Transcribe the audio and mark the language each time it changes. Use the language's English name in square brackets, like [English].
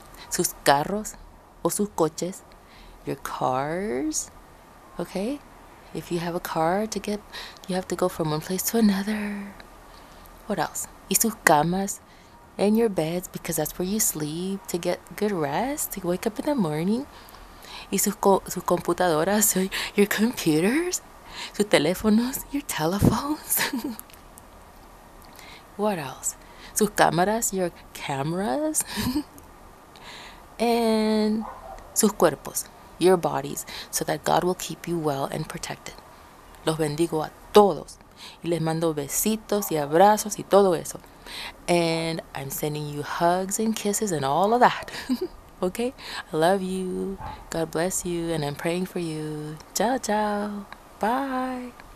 [Spanish] Sus carros o sus coches, [English] your cars. Okay? If you have a car to get, you have to go from one place to another. What else? [Spanish] Y sus camas. [English] And your beds, because that's where you sleep to get good rest, to wake up in the morning. [Spanish] Y sus computadoras, [English] so your computers, [Spanish] sus teléfonos, [English] your telephones. What else? [Spanish] Sus cámaras, [English] your cameras. And [Spanish] sus cuerpos, [English] your bodies, so that God will keep you well and protected. [Spanish] Los bendigo a todos. Y les mando besitos y abrazos y todo eso. [English] And I'm sending you hugs and kisses and all of that. Okay? I love you. God bless you. And I'm praying for you. Ciao, ciao. Bye.